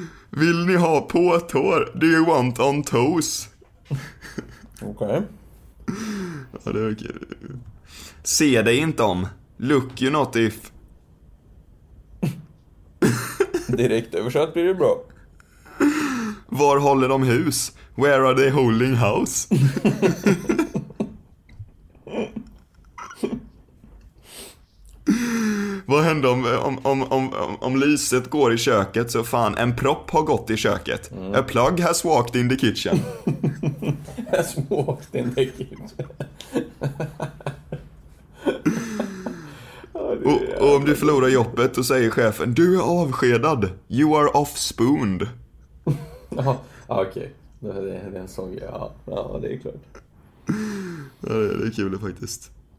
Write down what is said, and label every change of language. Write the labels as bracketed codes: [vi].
[sv] Vill ni ha på tår? [en] Do you want on toes? [sv] Okej. Ja, det är kul. Se dig inte om. [en] Look you not if. [sv] Direkt översatt blir det bra. Var håller de hus? [en] Where are they holding house? [sv] Vad händer om lyset går i köket? Så fan, en propp har gått i köket. [en] A plug has walked in the kitchen. Has walked in the kitchen. [sv] Och om du förlorar jobbet, så säger chefen: du är avskedad. [en] You are off-spooned. [sv] Ja, okej. Okay. Det är en sång, ja. Ja, det är klart. Ja, det är kul faktiskt.